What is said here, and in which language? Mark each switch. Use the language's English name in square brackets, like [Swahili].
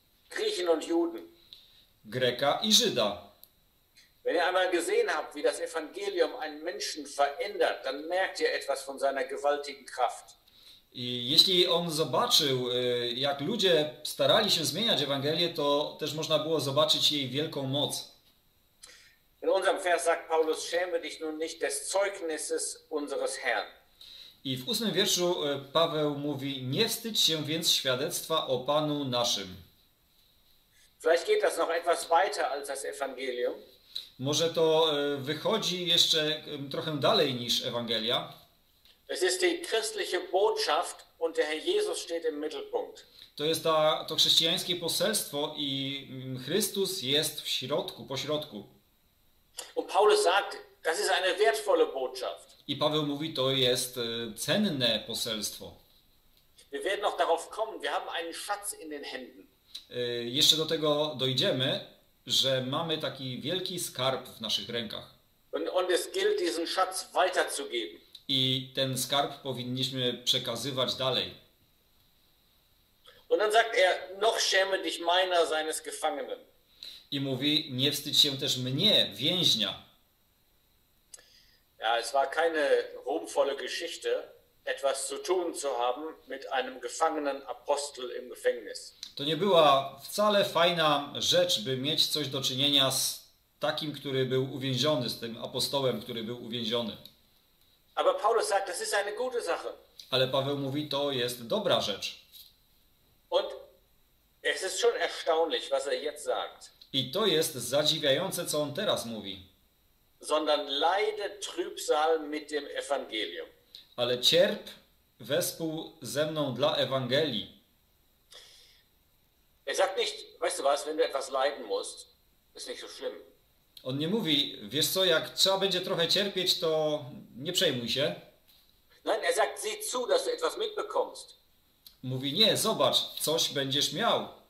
[German] Griechen und Juden. [Polish] Greka i Żyda. [German] Wenn ihr einmal gesehen habt, wie das Evangelium einen Menschen verändert, dann merkt ihr etwas von seiner gewaltigen Kraft. [Polish] I jeśli on zobaczył, jak ludzie starali się zmieniać Ewangelię, to też można było zobaczyć jej wielką moc. [German] In unserem Vers sagt Paulus, schäme dich nun nicht des Zeugnisses unseres Herrn. [Polish] I w 8 wierszu Paweł mówi, nie wstydź się więc świadectwa o Panu naszym. [German] Vielleicht geht das noch etwas weiter als das Evangelium. [Polish] Może to wychodzi jeszcze trochę dalej niż Ewangelia. [German] Es ist die christliche Botschaft und der Herr Jesus steht im Mittelpunkt. [Polish] To jest to chrześcijańskie poselstwo i Chrystus jest w środku, po środku. [German] Und Paulus sagt, das ist eine wertvolle Botschaft. [Polish] I Paweł mówi, to jest cenne poselstwo. [German] Wir werden noch darauf kommen, wir haben einen Schatz in den Händen. [Polish] Jeszcze do tego dojdziemy, że mamy taki wielki skarb w naszych rękach. [German] Und es gilt, diesen Schatz weiterzugeben. [Polish] I ten skarb powinniśmy przekazywać dalej. [German] Und dann sagt er, noch schäme dich meiner seines Gefangenen. [Polish] I mówi, nie wstydź się też mnie, więźnia. [German] Ja, es war keine ruhmvolle Geschichte, etwas zu tun zu haben mit einem gefangenen Apostel im Gefängnis. [Polish] To nie była wcale fajna rzecz, by mieć coś do czynienia z takim, który był uwięziony, z tym apostołem, który był uwięziony. [German] Aber Paulus sagt, das ist eine gute Sache. [Polish] Ale Paweł mówi, to jest dobra rzecz. [German] Und es ist schon erstaunlich, was er jetzt sagt. [Polish] I to jest zadziwiające, co on teraz mówi. [German] Sondern leide Trübsal mit dem Evangelium. [Polish] Ale cierp wespół ze mną dla Ewangelii. [German] Er sagt nicht, weißt du was, wenn du etwas leiden musst, ist nicht so schlimm. [Polish] On nie mówi, wiesz co, jak trzeba będzie trochę cierpieć, to nie przejmuj się. [German] Nein, er sagt, sieh zu, dass du etwas mitbekommst. [Polish] Mówi, nie, zobacz, coś będziesz miał.